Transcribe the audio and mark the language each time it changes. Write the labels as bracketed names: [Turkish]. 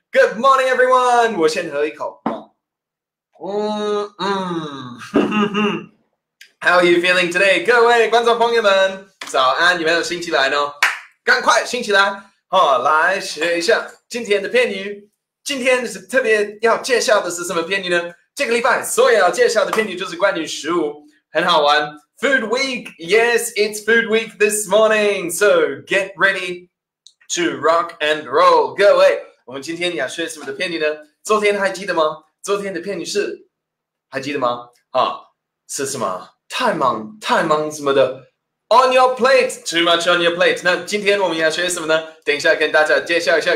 [English] Good morning, everyone. [Chinese] 我先喝一口。 [English] How are you feeling today? [Chinese] 各位观众朋友们，早安！有没有醒起来呢？赶快醒起来！好，来学一下今天的片语。今天是特别要介绍的是什么片语呢？这个礼拜所有要介绍的片语就是关于食物，很好玩。 [English] Food week, yes, it's food week this morning. So get ready to rock and roll. [Chinese] 各位，我们今天要学什么的片语呢？昨天还记得吗？昨天的片语是，还记得吗？啊，是什么？太忙，太忙什么的 ？ [English] On your plate, too much on your plate。 [Chinese] 那今天我们要学什么呢？等一下跟大家介绍一下。